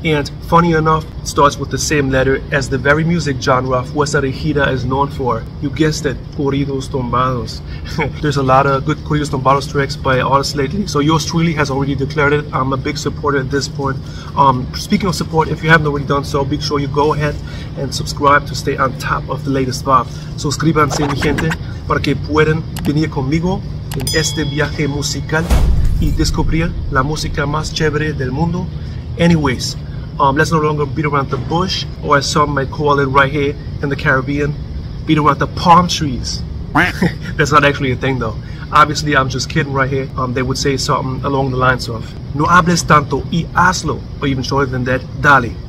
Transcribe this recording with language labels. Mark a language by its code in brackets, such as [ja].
[en] And funny enough, it starts with the same letter as the very music genre Fuerza Regida is known for. You guessed it, corridos tumbados. There's a lot of good corridos tumbados tracks by artists lately, so yours truly has already declared it. I'm a big supporter at this point. Speaking of support, if you haven't already done so, be sure you go ahead and subscribe to stay on top of the latest vibe. [es] Suscríbanse, mi gente, para que puedan venir conmigo en este viaje musical y descubrir la música más chévere del mundo. [en] Anyways, let's no longer beat around the bush, or as some might call it right here in the Caribbean, beat around the palm trees. That's not actually a thing though. Obviously, I'm just kidding right here. They would say something along the lines of, [es] no hables tanto y hazlo, [en] or even shorter than that, [es] dale.